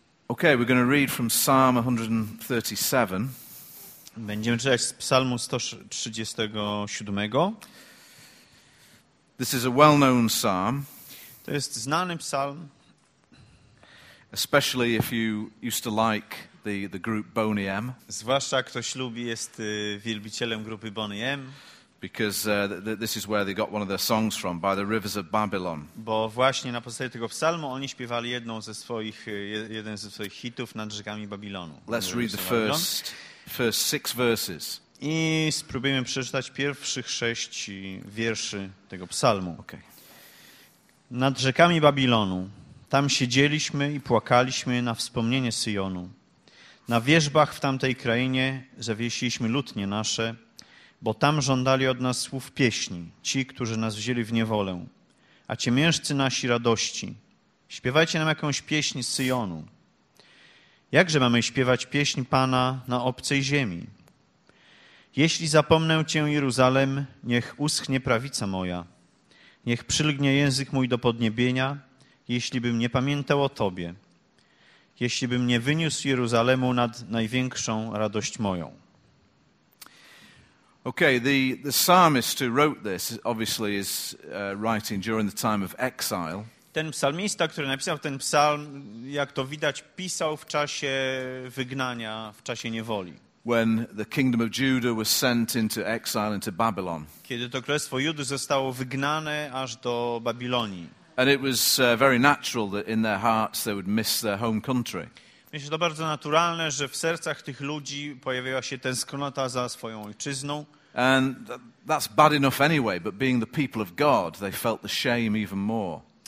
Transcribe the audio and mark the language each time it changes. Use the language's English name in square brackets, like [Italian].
[English] Okay, we're going to read from Psalm 137. [Polish] Będziemy czytać z Psalmu 137. [English] This is a well-known psalm. [Polish] To jest znany psalm. [English] Especially if you used to like the group Boney M. [Polish] Zwłaszcza ktoś lubi jest wielbicielem grupy Boney M. [English] Because this is where they got one of their songs from, by the rivers of Babylon. [Polish] Bo właśnie na podstawie tego psalmu oni śpiewali jeden ze swoich hitów nad rzekami Babilonu. [English] Let's read the first 6 verses. [Polish] I spróbujemy przeczytać pierwszych 6 wierszy tego psalmu. [English] Okay. [Polish] Nad rzekami Babilonu, tam siedzieliśmy i płakaliśmy na wspomnienie Syjonu. Na wierzbach w tamtej krainie zawiesiliśmy lutnie nasze, bo tam żądali od nas słów pieśni, ci, którzy nas wzięli w niewolę, a ciemiężcy nasi radości. Śpiewajcie nam jakąś pieśń z Syjonu. Jakże mamy śpiewać pieśń Pana na obcej ziemi? Jeśli zapomnę Cię, Jeruzalem, niech uschnie prawica moja, niech przylgnie język mój do podniebienia, jeśli bym nie pamiętał o Tobie, jeśli bym nie wyniósł Jeruzalemu nad największą radość moją. [English] Okay, the psalmist who wrote this obviously is writing during the time of exile. [Polish] Ten psalmista, który napisał ten psalm, jak to widać, pisał w czasie wygnania, w czasie niewoli. [English] When the kingdom of Judah was sent into exile into Babylon. [Polish] Kiedy to królestwo Judy zostało wygnane aż do Babilonii. [English] And it was very natural that in their hearts they would miss their home country. [Polish] Myślę, że to bardzo naturalne, że w sercach tych ludzi pojawiła się tęsknota za swoją ojczyzną. [English] And that's bad enough anyway, but being the people of God, they felt the shame even more.